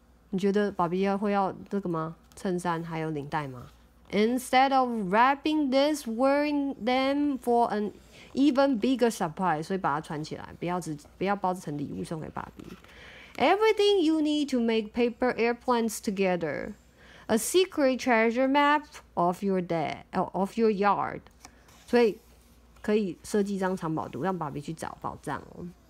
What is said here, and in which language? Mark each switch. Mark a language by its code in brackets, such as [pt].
[zh] 你觉得爸比会要这个吗？衬衫还有领带吗？ [en] Instead of wrapping this, wearing them for an even bigger surprise. [zh] 所以把它穿起来，不要包成礼物送给爸比。 [en] Everything you need to make paper airplanes together. A secret treasure map of your dad, of your yard. [zh] 所以可以设计一张藏宝图，让爸比去找宝藏哦。